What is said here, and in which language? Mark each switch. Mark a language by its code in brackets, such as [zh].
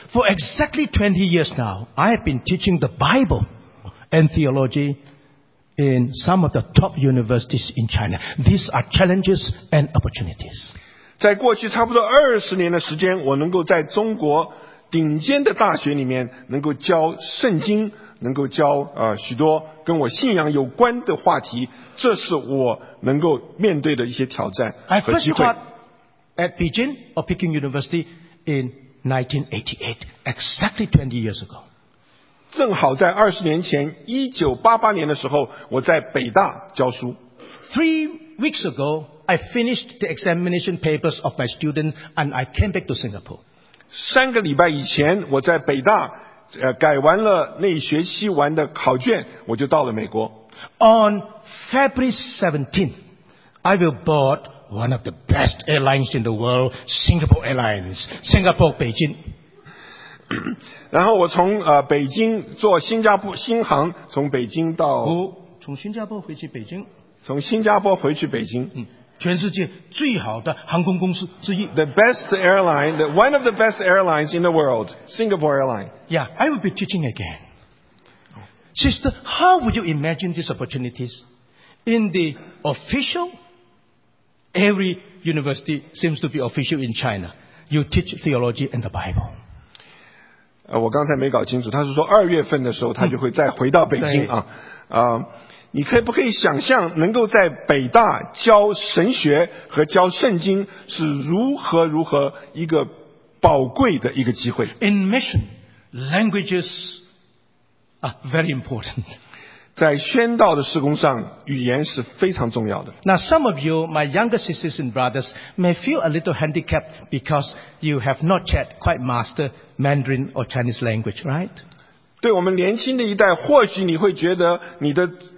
[en] For exactly 20 years now, I have been teaching the Bible and theology in some of the top universities in China. These are challenges and opportunities. [zh] 在过去差不多20年的时间，我能够在中国顶尖的大学里面能够教圣经，能够教许多跟我信仰有关的话题，这是我能够面对的一些挑战和机会。 [en] I first taught at Beijing or Peking University in 1988, exactly 20 years ago. [zh] 正好在20年前1988年的时候，我在北大教书。 [en] 3 weeks ago, I finished the examination papers of my students and I came back to Singapore. [zh] 三个礼拜以前，我在北大改完了那学期完的考卷，我就到了美国。 [en] On February 17th, I will board one of the best airlines in the world, Singapore Airlines, Singapore Beijing. [zh] 然后我从北京坐新加坡新航，从北京到从新加坡回去北京，从新加坡回去北京。全世界最好的航空公司之一。 [en] The best airline, one of the best airlines in the world, Singapore Airlines. Yeah, I will be teaching again. Sister, how would you imagine these opportunities? In the official, every university seems to be official in China. You teach theology and the Bible. [zh] 我刚才没搞清楚，他是说二月份的时候他就会再回到北京啊。你可以不可以想象能够在北大教神学和教圣经是如何如何一个宝贵的一个机会。 [en] In mission, languages are very important. [zh] 在宣道的事工上语言是非常重要的。 [en] Now some of you, my younger sisters and brothers, may feel a little handicapped because you have not yet quite mastered Mandarin or Chinese language, right? [zh] 对我们年轻的一代，或许你会觉得你的